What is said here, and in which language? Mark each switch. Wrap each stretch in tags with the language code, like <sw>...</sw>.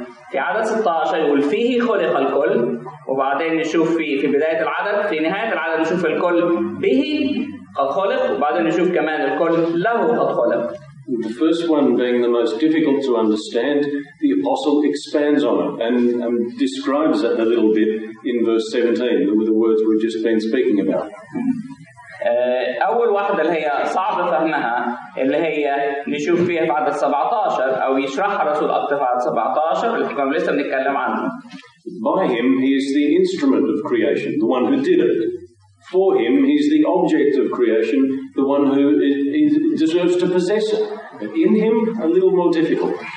<ar>في عدد 16 يقول فيه خلق الكل وبعدين نشوف في بداية العدد في نهاية العدد نشوف الكل به قد خلق وبعدين نشوف كمان الكل له قد خلق.</ar> <en>The first one being the most difficult to understand, the apostle expands on it and describes it a little bit in verse 17 with the words we've just been speaking about.</en> <ar>أول واحدة اللي هي صعب فهمها اللي هي نشوف فيها بعد 17 أو يشرح رسول أكثر بعد 17 اللي كنا لسه بنتكلم عنه.</ar> <en>By him he is the instrument of creation, the one who did it. For him he is the object of creation, the one who is deserves to possess it. In him a little more difficult.</en>